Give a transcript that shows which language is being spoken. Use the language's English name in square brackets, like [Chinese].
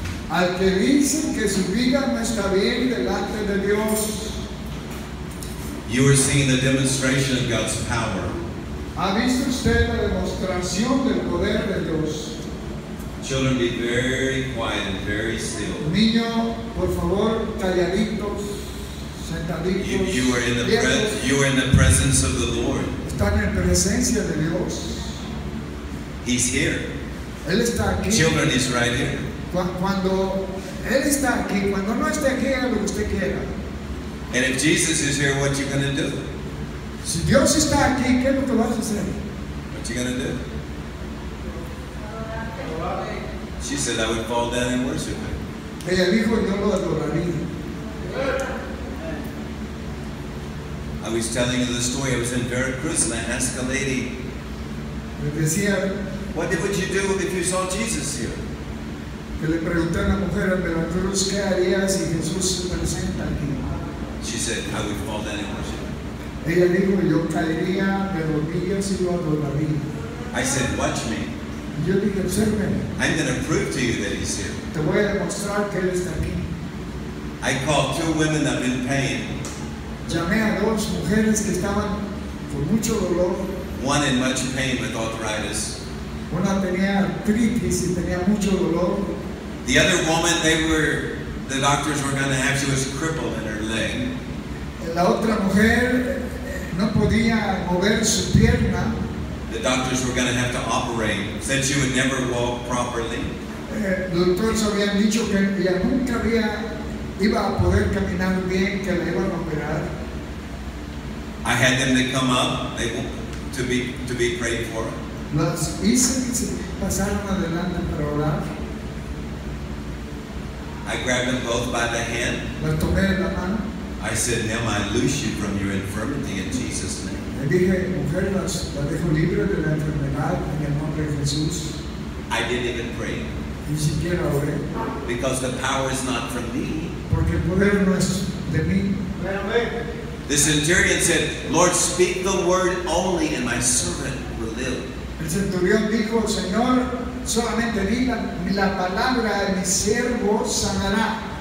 [Spanish] Al que dice que su vida no está bien delante de Dios. [English] You are seeing the demonstration of God's power. [Spanish] ¿Ha visto usted la demostración del poder de Dios? [English] Children, be very quiet and very still. [Spanish] Niño, por favor, calladitos, sentaditos. [English] You are in the presence of the Lord. [Spanish] Están en presencia de Dios. [English] He's here. [Spanish] Él está aquí. [English] Children, he's right here. [Spanish] Cuando él está aquí, cuando no esté aquí, haga lo que usted quiera. [English] And if Jesus is here, what you gonna do? [Spanish] Si Dios está aquí, ¿qué es lo que vas a hacer? [English] What you gonna do? She said, I would fall down and worship him. [Spanish] Ella dijo, yo lo adoraría. [English] I was telling you the story. I was in Veracruz and I asked a lady. [Spanish] Me decía, [English] what would you do if you saw Jesus here? [Spanish] Le pregunté a la mujer en Veracruz, ¿qué haría si Jesús se presenta aquí? [English] She said, I would fall down and worship. [Spanish] Ella dijo, yo caería de rodillas y lo adoraría. [English] I said, watch me. [Spanish] Yo dije, observe. [English] I'm going to prove to you that he's here. [Spanish] Te voy a demostrar que él está aquí. [English] I called two women that were in pain. [Spanish] Llamé a dos mujeres que estaban con mucho dolor. [English] One in much pain with arthritis. [Spanish] Una tenía artritis y tenía mucho dolor. [English] The other woman, the doctors were going to have, she was crippled in her leg. [Spanish] La otra mujer no podía mover su pierna. [English] The doctors were going to have to operate. Said she would never walk properly. [Spanish] Doctores habían dicho que ella nunca iba a poder caminar bien, que la iban a operar. [English] I had them to come up, to be prayed for. [Spanish] Las hice que pasaron adelante para orar. [English] I grabbed them both by the hand. [Spanish] Las tomé de la mano. [English] I said, "Now I loose you from your infirmity in Jesus' name." [Spanish] Le dije, mujer, la dejo libre de la enfermedad en el nombre de Jesús. [English] I didn't even pray. [Spanish] Ni siquiera oré. [English] Because the power is not from me. [Spanish] Porque el poder no es de mí. [English] The centurion said, "Lord, speak the word only, and my servant will live." [Spanish] El centurión dijo, "Señor, solamente di la palabra y mi siervo sanará."